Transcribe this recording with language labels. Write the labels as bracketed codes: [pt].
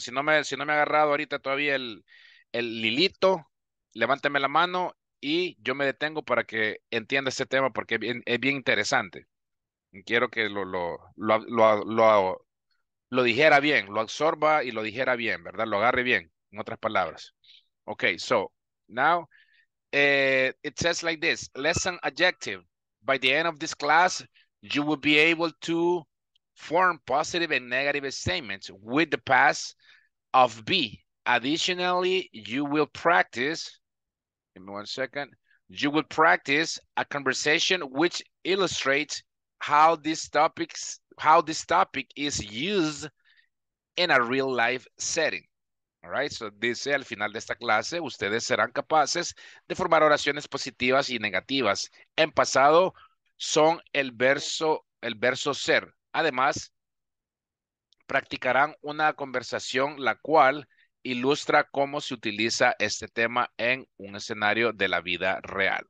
[es] Si no me he agarrado ahorita todavía el hilito, levánteme la mano. Y yo me detengo para que entienda este tema porque es bien interesante. Quiero que lo dijera bien, lo absorba y lo dijera bien, ¿verdad? Lo agarre bien, en otras palabras. [en] Okay, so now it says like this, lesson adjective. By the end of this class, you will be able to form positive and negative statements with the past of be. Additionally, you will practice, give me 1 second, you will practice a conversation which illustrates how this topic is used in a real life setting. All right, so [es] dice al final de esta clase, ustedes serán capaces de formar oraciones positivas y negativas. En pasado son el verbo ser. Además, practicarán una conversación la cual ilustra cómo se utiliza este tema en un escenario de la vida real.